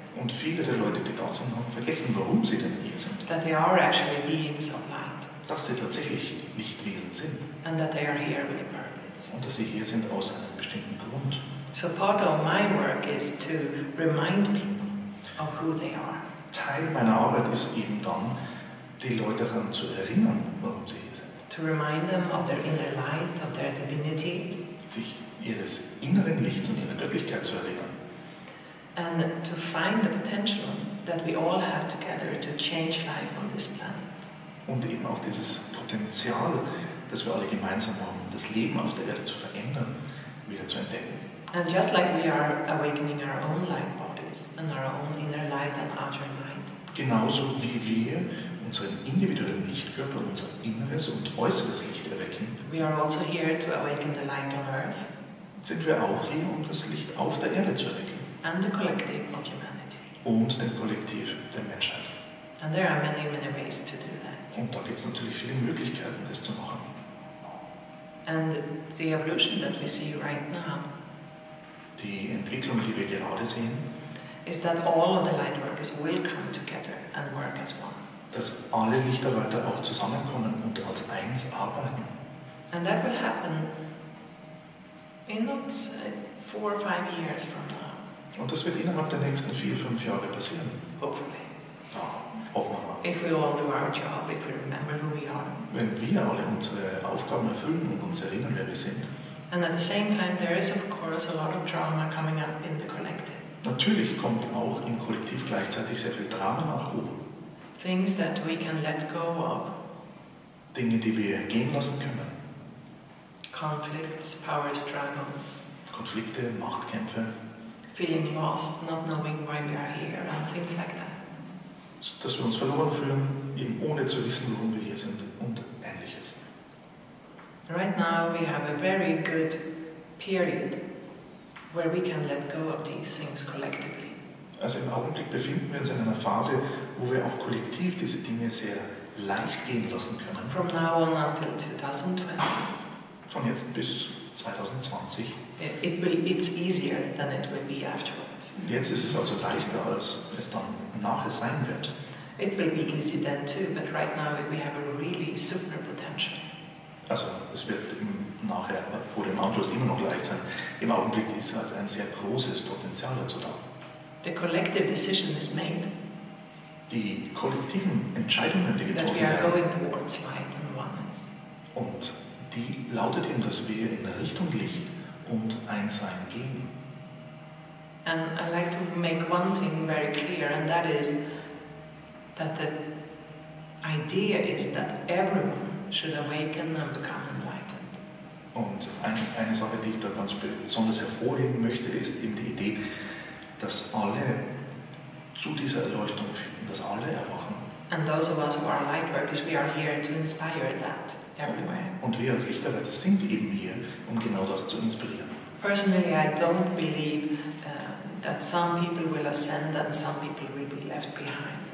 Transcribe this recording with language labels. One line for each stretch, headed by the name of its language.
German: Und viele der Leute, die da sind, haben vergessen, warum sie denn hier sind.
English: That they are actually beings of light.
German: Dass sie tatsächlich Lichtwesen sind.
English: And that they are here with a purpose.
German: Und dass sie hier sind aus einem bestimmten Grund.
English: So part of my work is to remind people of who they are.
German: Teil meiner Arbeit ist eben dann, die Leute daran zu erinnern, warum sie hier sind.
English: To remind them of their inner light, of their divinity.
German: Sich ihres inneren Lichts und ihrer Göttlichkeit zu erinnern.
English: And to find the potential that we all have together to change life on this planet.
German: Und eben auch dieses Potenzial, das wir alle gemeinsam haben, das Leben auf der Erde zu verändern, wieder zu entdecken.
English: And just like we are awakening our own light bodies and our own inner light and outer light.
German: Genauso wie wir unseren individuellen Lichtkörper, unser inneres und äußeres Licht erwecken.
English: We are also here to awaken the light on Earth.
German: Sind wir auch hier, um das Licht auf der Erde zu erwecken.
English: And the collective of humanity.
German: Und den Kollektiv der Menschheit.
English: And there are many, many ways to do that.
German: Und da gibt es natürlich viele Möglichkeiten, das zu machen.
English: And the evolution that we see right now.
German: Die Entwicklung, die wir gerade sehen,
English: is that all of the light workers will come together and work as one.
German: Dass alle Lichtarbeiter auch zusammenkommen und als eins arbeiten.
English: And that will happen in not 4 or 5 years from now.
German: Und das wird innerhalb der nächsten 4-5 Jahre passieren.
English: Hopefully.
German: Ja, hoffen wir mal.
English: If we all do our job, if we remember who we are.
German: Wenn wir alle unsere Aufgaben erfüllen und uns erinnern, wer wir sind.
English: And at the same time, there is of course a lot of drama coming up in the collective.
German: Natürlich kommt auch im Kollektiv gleichzeitig sehr viel Drama nach oben.
English: Things that we can let go of.
German: Dinge, die wir gehen lassen können.
English: Conflicts, power struggles.
German: Konflikte, Machtkämpfe.
English: Feeling lost, not knowing why we are here, and things like that.
German: Dass wir uns verloren fühlen, eben ohne zu wissen, warum wir hier sind, und Ähnliches.
English: Right now we have a very good period where we can let go of these things collectively.
German: Also im Augenblick befinden wir uns in einer Phase, wo wir auch kollektiv diese Dinge sehr leicht gehen lassen können.
English: From now on until 2020.
German: Von jetzt bis 2020.
English: It's easier than it will be afterwards.
German: Jetzt ist es also leichter, als es dann nachher sein wird.
English: It will be easy then too, but right now we have a really super potential.
German: Also es wird im nachher oder im Anschluss immer noch leicht sein. Im Augenblick ist halt ein sehr großes Potenzial dazu da.
English: The collective decision is made.
German: Die kollektiven Entscheidungen, die getroffen werden.
English: That we are going towards light and oneness.
German: Und die lautet eben, dass wir in der Richtung Licht und Einssein gehen.
English: And I like to make one thing very clear, and that is that the idea is that everyone should awaken and become enlightened.
German: Und eine Sache, die ich da ganz besonders hervorheben möchte, ist eben die Idee, dass alle zu dieser Erleuchtung finden, dass alle erwachen.
English: And those of us who are light workers, we are here to inspire that everywhere.
German: Und wir als Lichtarbeiter sind eben hier, um genau das zu inspirieren.
English: Personally, I don't believe that some people will ascend and some people will be left behind.